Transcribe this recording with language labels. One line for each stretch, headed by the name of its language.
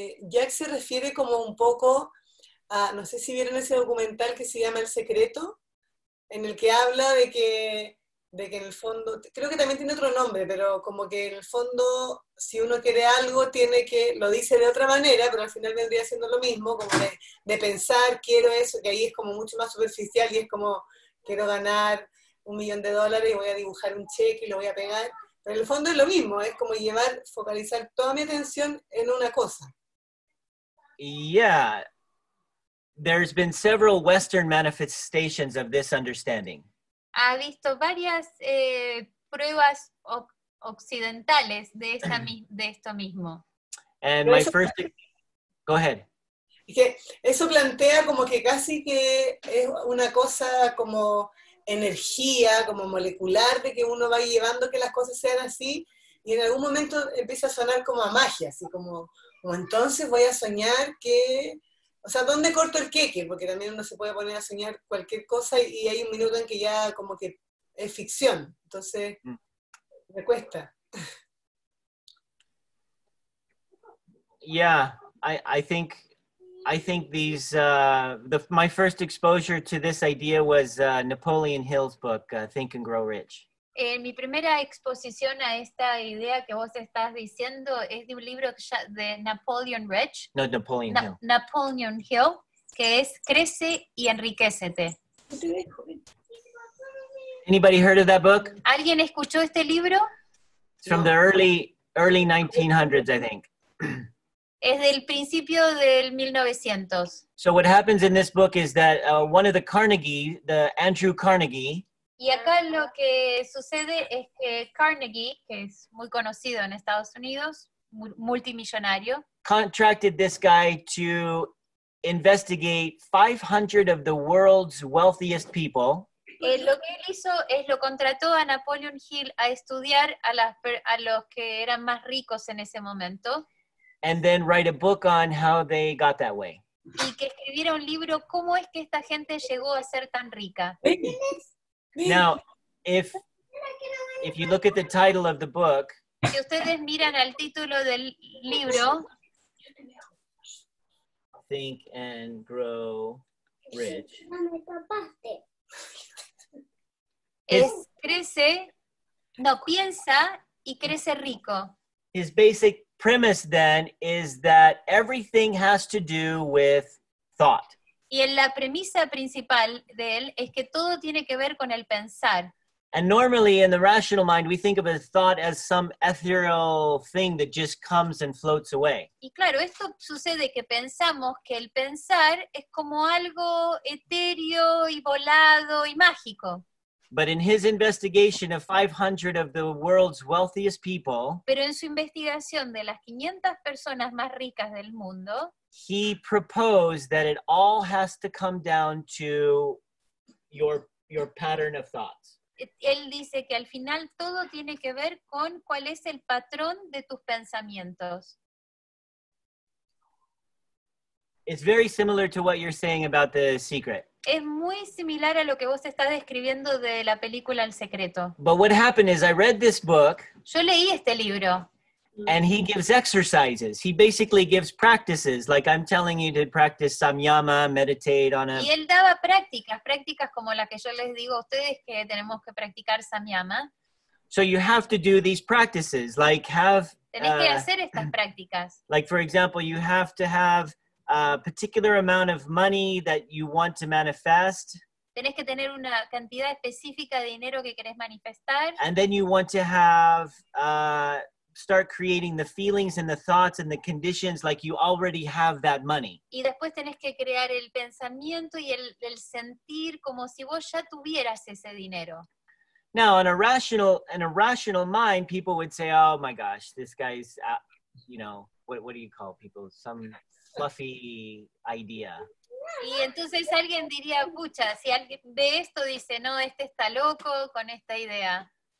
Spanish: Jack se refiere como un poco a, no sé si vieron ese documental que se llama El Secreto, en el que habla de que en el fondo, creo que también tiene otro nombre, pero como que en el fondo, si uno quiere algo, tiene que, lo dice de otra manera, pero al final vendría siendo lo mismo, como de pensar, quiero eso, que ahí es como mucho más superficial y es como, quiero ganar $1,000,000 y voy a dibujar un cheque y lo voy a pegar. Pero en el fondo es lo mismo, es como llevar, focalizar toda mi atención en una cosa.
English: Yeah, there's been several Western manifestations of this understanding.
Spanish: Ha visto varias pruebas occidentales de esto mismo.
English: And my first... Go ahead.
Spanish: Que eso plantea como que casi que es una cosa como... energía como molecular de que uno va llevando que las cosas sean así y en algún momento empieza a sonar como a magia, así como entonces voy a soñar que, o sea, ¿dónde corto el queque? Porque también uno se puede poner a soñar cualquier cosa y hay un minuto en que ya como que es ficción, entonces me cuesta.
English: Yeah, I think my first exposure to this idea was Napoleon Hill's book, Think and Grow Rich.
Spanish: Mi primera exposición a esta idea que vos estás diciendo es de un libro de Napoleon Rich. No, Napoleon Hill. Napoleon Hill, que es Crece y Enriquécete.
English: Anybody heard of that book?
Spanish: ¿Alguien escuchó este libro?
English: It's from the early 1900s, I think.
Spanish: Es del principio del 1900.
English: So what happens in this book is that one of the Carnegie, the Andrew Carnegie.
Spanish: Y acá lo que sucede es que Carnegie, que es muy conocido en Estados Unidos, multimillonario,
English: contracted this guy to investigate 500 of the world's wealthiest people.
Spanish: Lo que él hizo es lo contrató a Napoleon Hill a estudiar a los que eran más ricos en ese momento.
English: And then write a book on how they got that way.
Spanish: Y que escribiera un libro cómo es que esta gente llegó a ser tan rica.
English: Now, if you look at the title of the book,
Spanish: si ustedes miran al título del libro,
English: Think and Grow Rich.
Spanish: Es crece, no, piensa y crece rico.
English: His basic premise then is that everything has to do with thought.
Spanish: Y en la premisa principal de él es que todo tiene que ver con el pensar.
English: And normally in the rational mind we think of a thought as some ethereal thing that just comes and floats away.
Spanish: Y claro, esto sucede que pensamos que el pensar es como algo etéreo y volado y mágico.
English: But in his investigation of 500 of the world's wealthiest people,
Spanish: pero en su investigación de las 500 personas más ricas del mundo,
English: he proposed that it all has to come down to your pattern of thoughts.
Spanish: Él dice que al final todo tiene que ver con cuál es el patrón de tus pensamientos.
English: It's very similar to what you're saying about The Secret.
Spanish: Es muy similar a lo que vos estás describiendo de la película El Secreto.
English: But what happened is I read this book.
Spanish: Yo leí este libro.
English: And he gives exercises. He basically gives practices, like I'm telling you to practice samyama, meditate on a...
Spanish: Y él daba prácticas, prácticas como las que yo les digo a ustedes que tenemos que practicar samyama.
English: So you have to do these practices, like have...
Spanish: Tenés que hacer estas prácticas.
English: Like, for example, you have to have a particular amount of money that you want to manifest.
Spanish: Tenés que tener una cantidad específica de dinero que querés manifestar.
English: And then you want to have... start creating the feelings and the thoughts and the conditions like you already have that money.
Spanish: Y después tenés que crear el pensamiento y el sentir como si vos ya tuvieras ese dinero.
English: Now, in a rational mind, people would say, oh my gosh, this guy's, you know, what do you call people? Some fluffy idea.
Spanish: Y entonces alguien diría, pucha, si alguien ve esto, dice, no, este está loco con esta idea.